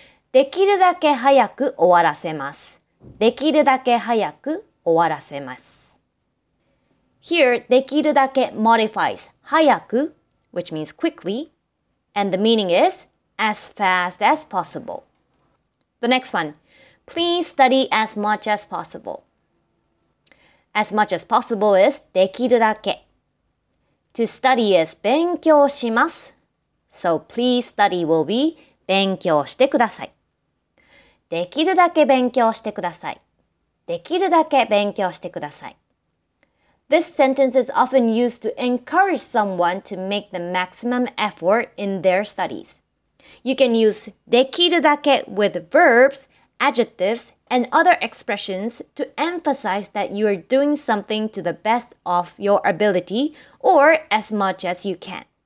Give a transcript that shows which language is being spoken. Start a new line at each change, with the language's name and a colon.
Japanese: できるだけ早く終わらせます。できるだけ早く終わらせます。
English: Here, できるだけ modifies 早く, which means quickly, and the meaning is as fast as possible. The next one, please study as much as possible. As much as possible is できるだけ.To study is
Japanese: 勉強します.
English: So please study will be
Japanese: 勉強してください. できるだけ勉強してください。できるだけ勉強してください。
English: This sentence is often used to encourage someone to make the maximum effort in their studies. You can use できるだけ with verbs, adjectives, and other expressions to emphasize that you are doing something to the best of your ability or as much as you can.